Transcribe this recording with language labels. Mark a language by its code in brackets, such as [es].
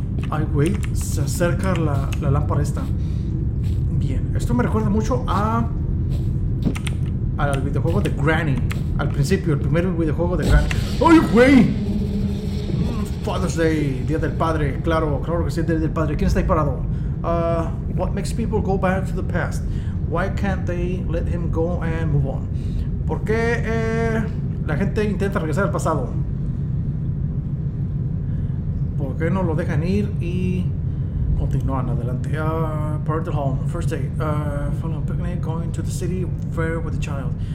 [es] Ay, güey, se acerca la lámpara esta. Bien, esto me recuerda mucho a al videojuego de Granny. Al principio, el primer videojuego de Granny. ¡Ay, güey! Father's Day, Día del Padre, claro, claro que sí, Día del Padre. ¿Quién está ahí parado? [en] What makes people go back to the past? Why can't they let him go and move on? [es] ¿Por qué la gente intenta regresar al pasado? ¿Por qué no lo dejan ir y continúan adelante? [en] Part of the home, first day. Following a picnic, going to the city fair with the child.